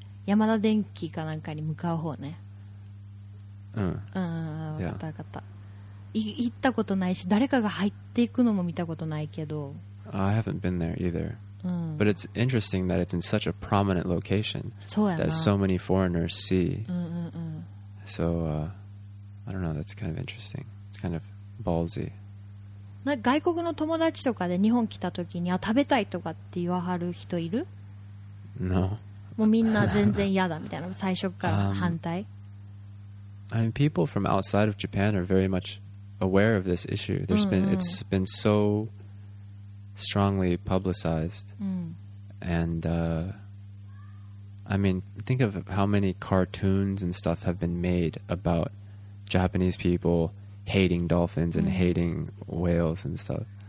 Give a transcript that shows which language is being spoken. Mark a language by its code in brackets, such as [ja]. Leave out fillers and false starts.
[ja] 山田電機かなんかに向かう方ね。うん。うん、分かった。行ったことないし誰かが入っていくのも見たことないけど [en] I haven't been there either. But it's interesting that it's in such a prominent location that so many foreigners see. So, I don't know. That's kind of interesting. It's kind of ballsy. [ja] 外国の友達とかで日本来た時に食べたいとかって言わはる人いる [en] No. [ja] もうみんな全然嫌だみたいな最初から反対 [en] I mean, people from outside of Japan are very much aware of this issue. There's been, it's been so strongly publicized. And, I mean, think of how many cartoons and stuff have been made about Japanese people hating dolphins and hating whales and stuff.